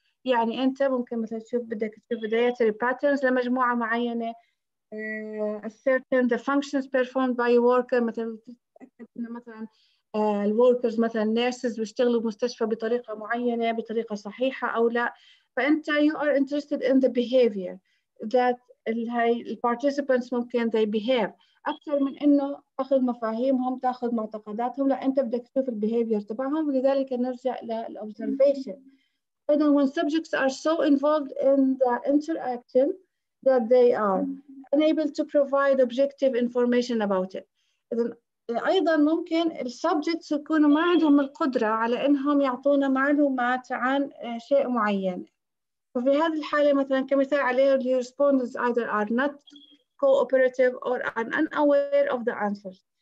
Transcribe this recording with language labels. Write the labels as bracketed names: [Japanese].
[Arabic] يعني أنت ممكن مثلا تشوف بدك تشوف [English] dietary patterns [Arabic] لمجموعة معينة, [English] ascertain the functions performed by a worker [Arabic] مثلا مثلاً الworkers مثلاً nurses بيشتغلوا بمستشفى بطريقة معينة بطريقة صحيحة أو لا. فأنت [English] you are interested in the behavior that [Arabic] هاي participants ممكن [English] they behave [Arabic] أكثر من إنه تأخذ مفاهيمهم تأخذ معتقداتهم, لا أنت بدك تشوف البيهافير تبعهم. لذلك نرجع للobservation. [English] And when subjects are so involved in the interaction that they are unable to provide objective information about it. [Arabic] أيضا ممكن السبجكتس يكونوا ما عندهم القدرة على إنهم يعطونا معلومات عن شيء معين. وفي هذه الحالة مثلا كمثال عليها [English] the respondents either are not cooperative or are unaware of the answers.